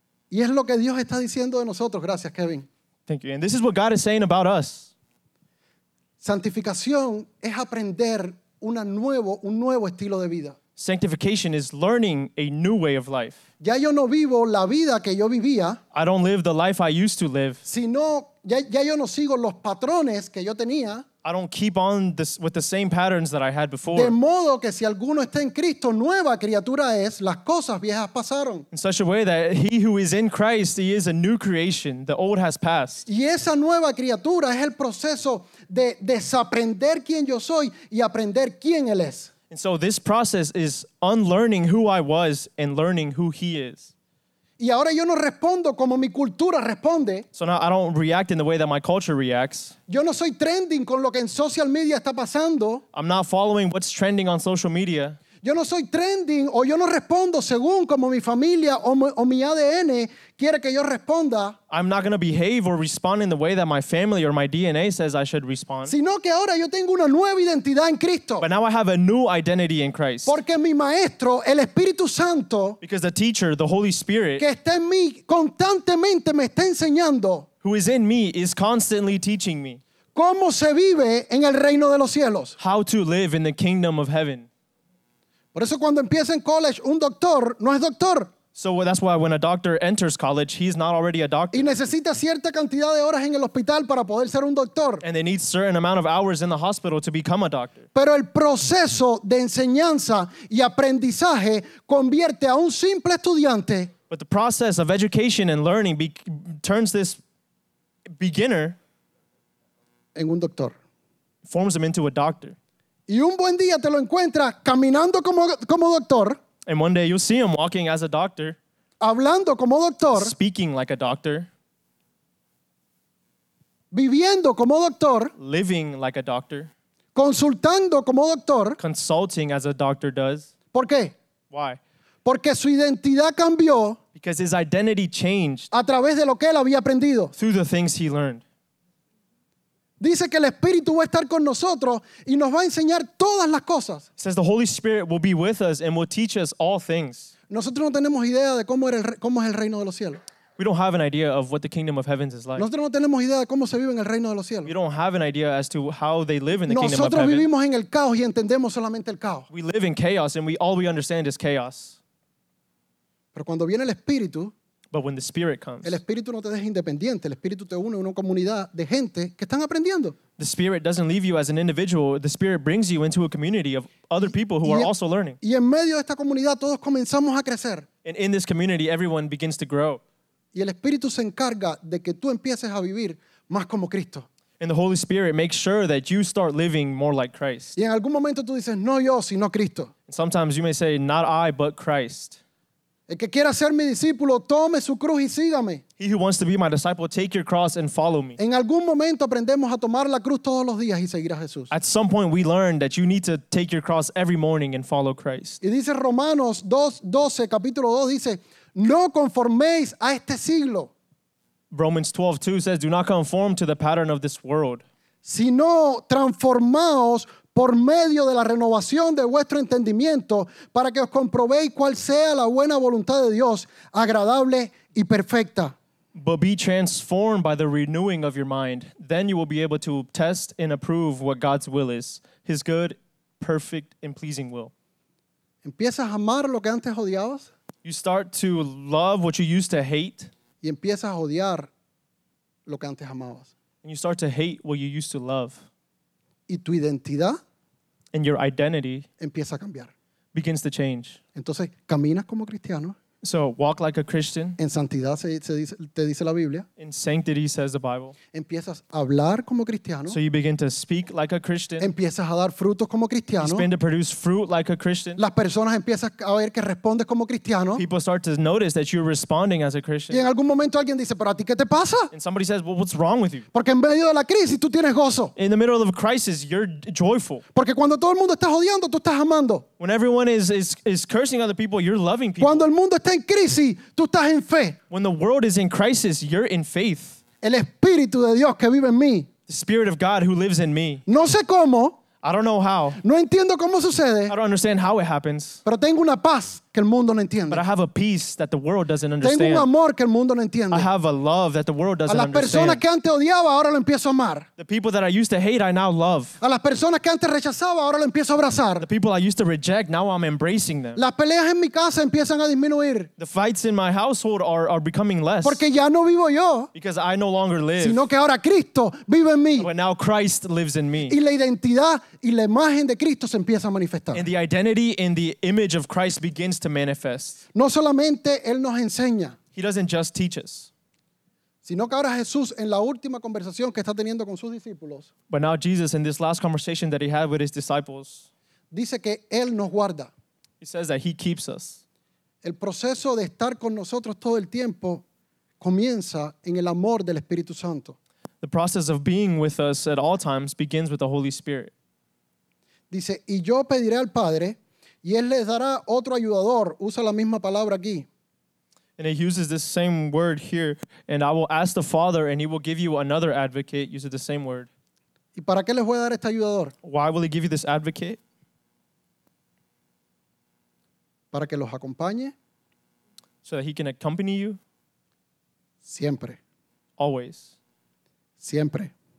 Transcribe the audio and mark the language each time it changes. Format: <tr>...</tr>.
<es>Y es lo que Dios está diciendo de nosotros. Gracias, Kevin.</es> <en>Thank you. And this is what God is saying about us.</en> <es>Santificación es aprender un nuevo estilo de vida.</es> <en>Sanctification is learning a new way of life.</en> <es>Ya yo no vivo la vida que yo vivía.</es> <en>I don't live the life I used to live.</en> <es>Sino ya yo no sigo los patrones que yo tenía.</es> <en>I don't keep on this, with the same patterns that I had before.</en> <es>De modo que si alguno está en Cristo, nueva criatura es, las cosas viejas pasaron.</es> <en>In such a way that he who is in Christ, he is a new creation. The old has passed.</en> <es>Y esa nueva criatura es el proceso de desaprender quién yo soy y aprender quién él es.</es> <en>And so this process is unlearning who I was and learning who he is.</en> <es>Y ahora yo no respondo como mi cultura responde.</es> <en>So now I don't react in the way that my culture reacts.</en> <es>Yo no soy trending con lo que en social media está pasando.</es> <en>I'm not following what's trending on social media.</en> <es>Yo no soy trending o yo no respondo según como mi familia o mi ADN quiere que yo responda.</es> <en>I'm not going to behave or respond in the way that my family or my DNA says I should respond.</en> <es>Sino que ahora yo tengo una nueva identidad en Cristo.</es> <en>But now I have a new identity in Christ.</en> <es>Porque mi maestro, el Espíritu Santo,</es> <en>because the teacher, the Holy Spirit,</en> <es>que está en mí constantemente me está enseñando,</es> <en>who is in me is constantly teaching me,</en> <es>cómo se vive en el reino de los cielos.</es> <en>How to live in the kingdom of heaven.</en> <es>Por eso cuando empieza en college, un doctor no es doctor.</es> <en>So that's why when a doctor enters college, he's not already a doctor.</en> <es>Y necesita cierta cantidad de horas en el hospital para poder ser un doctor.</es> <en>And they need certain amount of hours in the hospital to become a doctor.</en> <es>Pero el proceso de enseñanza y aprendizaje convierte a un simple estudiante.</es> <en>But the process of education and learning turns this beginner</en> <es>en un doctor.</es> <en>Forms him into a doctor.</en> <es>Y un buen día te lo encuentras caminando como doctor.</es> <en>And one day you'll see him walking as a doctor.</en> <es>Hablando como doctor.</es> <en>Speaking like a doctor.</en> <es>Viviendo como doctor.</es> <en>Living like a doctor.</en> <es>Consultando como doctor.</es> <en>Consulting as a doctor does.</en> <es>¿Por qué?</es> <en>Why?</en> <es>Porque su identidad cambió.</es> <en>Because his identity changed.</en> <es>A través de lo que él había aprendido.</es> <en>Through the things he learned.</en> <es>Dice que el Espíritu va a estar con nosotros y nos va a enseñar todas las cosas.</es> <en>It says the Holy Spirit will be with us and will teach us all things.</en> <es>Nosotros no tenemos idea de cómo es el reino de los cielos.</es> <en>We don't have an idea of what the kingdom of heavens is like.</en> <es>Nosotros no tenemos idea de cómo se vive en el reino de los cielos.</es> <en>We don't have an idea as to how they live in the</en> <es>nosotros</es> <en>kingdom of heaven.</en> <es>Nosotros vivimos en el caos y entendemos solamente el caos.</es> <en>We live in chaos and all we understand is chaos.</en> <es>Pero cuando viene el Espíritu.</es> <en>But when the Spirit comes.</en> <es>El Espíritu no te deja independiente. El Espíritu te une a una comunidad de gente que están aprendiendo.</es> <en>The Spirit doesn't leave you as an individual. The Spirit brings you into a community of other people who are also learning.</en> <es>Y en medio de esta comunidad todos comenzamos a crecer.</es> <en>And in this community everyone begins to grow.</en> <es>Y el Espíritu se encarga de que tú empieces a vivir más como Cristo.</es> <en>And the Holy Spirit makes sure that you start living more like Christ.</en> <es>Y en algún momento tú dices, no yo, sino Cristo.</es> <en>And sometimes you may say, not I, but Christ.</en> <es>El que quiera ser mi discípulo, tome su cruz y sígame.</es> <en>He who wants to be my disciple, take your cross and follow me.</en> <es>En algún momento aprendemos a tomar la cruz todos los días y seguir a Jesús.</es> <en>At some point we learn that you need to take your cross every morning and follow Christ.</en> <es>Y dice Romanos 2:12, capítulo 2, dice, no conforméis a este siglo.</es> <en>Romans 12:2 says, "Do not conform to the pattern of this world."</en> <es>Sino transformaos por medio de la renovación de vuestro entendimiento para que os comprobéis cuál sea la buena voluntad de Dios, agradable y perfecta.</es> <en>But be transformed by the renewing of your mind. Then you will be able to test and approve what God's will is, his good, perfect, and pleasing will.</en> <es>Empiezas a amar lo que antes odiabas.</es> <en>You start to love what you used to hate.</en> <es>Y empiezas a odiar lo que antes amabas.</es> <en>And you start to hate what you used to love.</en> <es>Y tu identidad,</es> <en>and your identity</en> <es>empieza a cambiar.</es> <en>Begins to change.</en> <es>Entonces, caminas como cristiano.</es> <en>So walk like a Christian.</en> <es>En santidad te dice la Biblia.</es> <en>In sanctity, says the Bible.</en> <es>Empiezas a hablar como cristiano.</es> <en>So you begin to speak like a Christian.</en> <es>Empiezas a dar frutos como cristiano.</es> <en>You begin to produce fruit like a Christian.</en> <es>Las personas empiezan a ver que respondes como cristiano.</es> <en>People start to notice that you're responding as a Christian.</en> <es>Y en algún momento alguien dice, ¿pero a ti qué te pasa?</es> <en>And somebody says, well, what's wrong with you?</en> <es>Porque en medio de la crisis tú tienes gozo.</es> <en>In the middle of a crisis, you're joyful.</en> <es>Porque cuando todo el mundo está odiando, tú estás amando.</es> <en>When everyone is cursing other people, you're loving people.</en> <es>Cuando el mundo está en crisis, tú estás en fe.</es> <en>When the world is in crisis, you're in faith.</en> <es>El Espíritu de Dios que vive en mí.</es> <en>The Spirit of God who lives in me.</en> <es>No sé cómo.</es> <en>I don't know how.</en> <es>No entiendo cómo sucede.</es> <en>I don't understand how it happens.</en> <es>Pero tengo una paz que el mundo no entiende.</es> <en>But I have a peace that the world doesn't understand.</en> <es>Tengo un amor que el mundo no entiende.</es> <en>I have a love that the world doesn't understand.</en> <es>A las personas que antes odiaba, ahora lo empiezo a amar.</es> <en>The people that I used to hate, I now love.</en> <es>A las personas que antes rechazaba, ahora lo empiezo a abrazar.</es> <en>The people I used to reject, now I'm embracing them.</en> <es>Las peleas en mi casa empiezan a disminuir.</es> <en>The fights in my household are becoming less.</en> <es>Porque ya no vivo yo.</es> <en>Because I no longer live.</en> <es>Sino que ahora Cristo vive en mí.</es> <en>But now Christ lives in me.</en> <es>Y la identidad y la imagen de Cristo se empieza a manifestar.</es> <en>And the identity and the image of Christ begins to manifest.</en> <es>No solamente él nos enseña.</es> <en>He doesn't just teach us.</en> <es>Sino que ahora Jesús en la última conversación que está teniendo con sus discípulos.</es> <en>But now Jesus in this last conversation that he had with his disciples.</en> <es>Dice que él nos guarda.</es> <en>He says that he keeps us.</en> <es>El proceso de estar con nosotros todo el tiempo comienza en el amor del Espíritu Santo.</es> <en>The process of being with us at all times begins with the Holy Spirit.</en> <es>Dice, y yo pediré al Padre y él les dará otro ayudador. Usa la misma palabra aquí.</es> <en>And it uses the same word here. And I will ask the Father and he will give you another advocate. Uses the same word.</en> <es>¿Y para qué les voy a dar este ayudador?</es> <en>Why will he give you this advocate?</en> <es>Para que los acompañe.</es> <en>So that he can accompany you.</en> <es>Siempre.</es> <en>Always.</en> <es>Siempre.</es>